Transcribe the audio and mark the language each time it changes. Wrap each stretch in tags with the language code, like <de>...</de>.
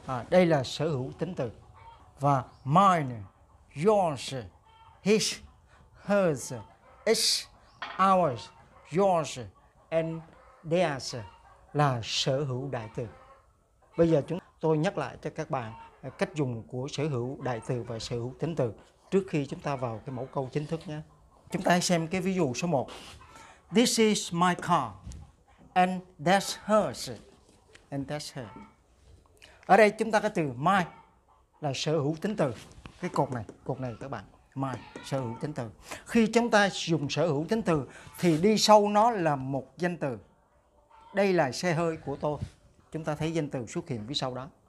<vi>Đây là sở hữu tính từ. Và</vi> <en>mine, yours, his, hers, its, ours, yours and theirs</en> <vi>là sở hữu đại từ. Bây giờ chúng tôi nhắc lại cho các bạn cách dùng của sở hữu đại từ và sở hữu tính từ trước khi chúng ta vào cái mẫu câu chính thức nhé. Chúng ta hãy xem cái ví dụ số 1.</vi> <en>This is my car and that's hers. And that's her.</en> <vi>Ở đây chúng ta có từ my là sở hữu tính từ. Cái cột này các bạn. My, sở hữu tính từ. Khi chúng ta dùng sở hữu tính từ thì đi sau nó là một danh từ. Đây là xe hơi của tôi. Chúng ta thấy danh từ xuất hiện phía sau đó.</vi>